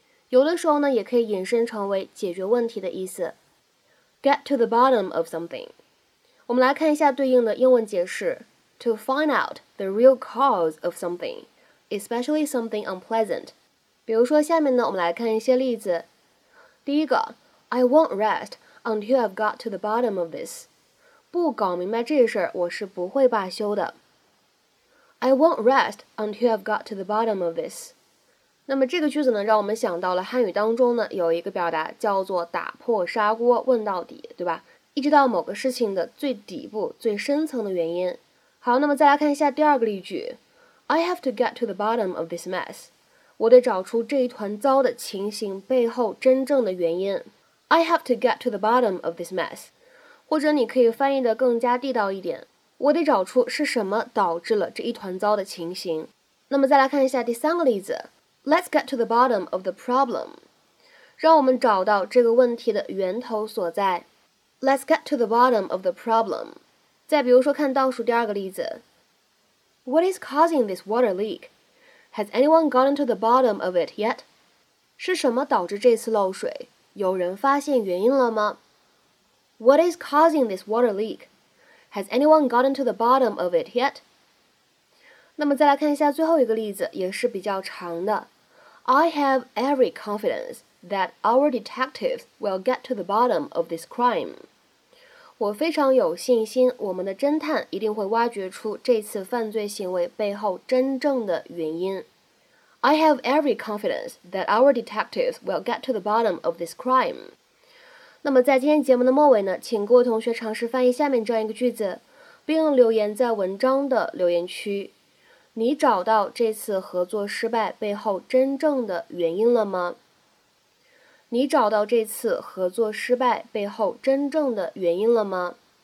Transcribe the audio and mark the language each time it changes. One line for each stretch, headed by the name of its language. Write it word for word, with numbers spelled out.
Chinese: 有的时候呢也可以引申成为解决问题的意思。
English: get to the bottom of something。
Chinese: 我们来看一下对应的英文解释
English: ：to find out the real cause of something, especially something unpleasant。
Chinese: 比如说下面呢我们来看一些例子。第一个
English: I won't rest until I've got to the bottom of this.
Chinese: 不搞明白这事儿我是不会罢休的。
English: I won't rest until I've got to the bottom of this.
Chinese: 那么这个句子呢让我们想到了汉语当中呢有一个表达叫做打破砂锅问到底，对吧？一直到某个事情的最底部最深层的原因。好，那么再来看一下第二个例句
English: I have to get to the bottom of this mess.
Chinese: 我得找出这一团糟的情形背后真正的原因。
English: I have to get to the bottom of this mess.
Chinese: 或者你可以翻译的更加地道一点我得找出是什么导致了这一团糟的情形。那么再来看一下第三个例子 ，
English: Let's get to the bottom of the problem，
Chinese: 让我们找到这个问题的源头所在。
English: Let's get to the bottom of the problem。
Chinese: 再比如说看倒数第二个例子
English: ，What is causing this water leak? Has anyone gotten to the bottom of it yet?
Chinese: 是什么导致这次漏水？有人发现原因了吗？
English: What is causing this water leak? Has anyone gotten to the bottom of it yet?
Chinese: 那么再来看一下最后一个例子，也是比较长的。
English: I have every confidence that our detectives will get to the bottom of this crime.
Chinese: 我非常有信心，我们的侦探一定会挖掘出这次犯罪行为背后真正的原因。
English: I have every confidence that our detectives will get to the bottom of this crime.
Chinese: 那么在今天节目的末尾呢，请各位同学尝试翻译下面这样一个句子，并留言在文章的留言区。你找到这次合作失败背后真正的原因了吗？你找到这次合作失败背后真正的原因了吗？